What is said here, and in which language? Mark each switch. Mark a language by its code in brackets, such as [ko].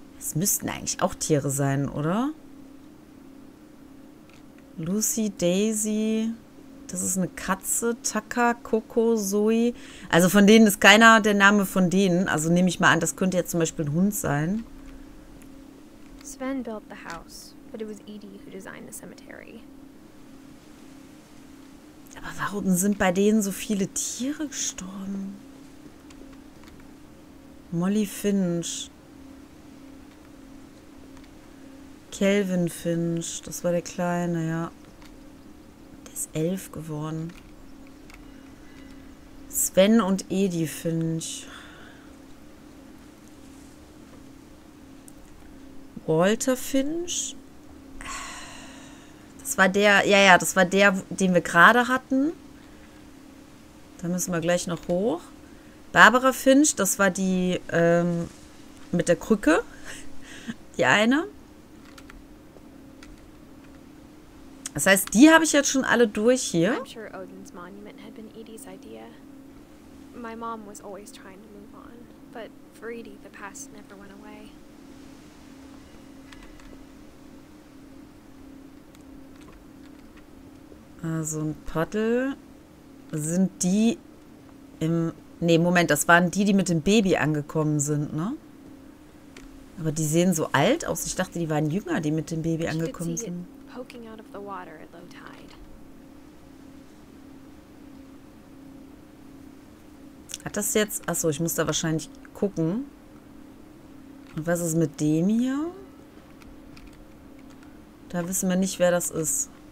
[de] Das müssten eigentlich auch Tiere sein, oder? Lucy, Daisy, das ist eine Katze, Taka, Coco, Zoe. Also von denen ist keiner der Name von denen. Also nehme ich mal an, das könnte jetzt zum Beispiel ein Hund sein. [en] Sven built the house, but it was Edie who designed the cemetery. [de] Aber warum sind bei denen so viele Tiere gestorben? Molly Finch. Kelvin Finch, das war der Kleine, ja. Der ist 11 geworden. Sven und Edie Finch. Walter Finch. Das war der, ja, das war der, den wir gerade hatten. Da müssen wir gleich noch hoch. Barbara Finch, das war die mit der Krücke. Die eine. Das heißt, die habe ich jetzt schon alle durch hier. [en] I'm sure Odin's monument had been Edie's idea. My mom was always trying to move on, but for Edie, the past never went away. [de] Also ein Paddel. Sind die im... Nee, Moment, das waren die, die mit dem Baby angekommen sind, ne? Aber die sehen so alt aus. Ich dachte, die waren jünger, die mit dem Baby angekommen sind. [en] Poking out of the water at low tide. [de] Hat das jetzt... Achso, ich muss da wahrscheinlich gucken. Und was ist mit dem hier? Da wissen wir nicht, wer das ist.